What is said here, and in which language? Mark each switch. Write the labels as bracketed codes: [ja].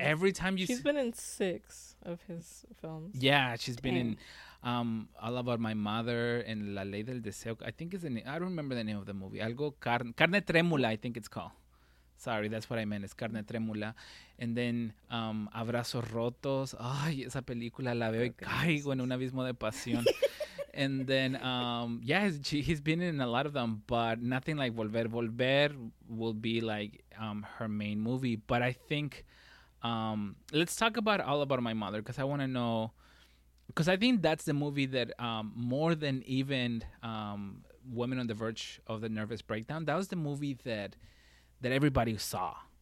[en] Every time she's been in six of his films. Yeah, she's been in All About My Mother and La Ley del Deseo. I think it's I don't remember the name of the movie. Algo Carne Trémula, I think it's called. Sorry, that's what I meant. It's Carne Trémula. And then Abrazos Rotos. [es] Ay, esa película la veo y caigo en un abismo de pasión. [en] And then, he's been in a lot of them, but nothing like Volver. Volver will be like her main movie. But I think, let's talk about All About My Mother, because I want to know, because I think that's the movie that more than even Women on the Verge of the Nervous Breakdown, that was the movie that everybody saw.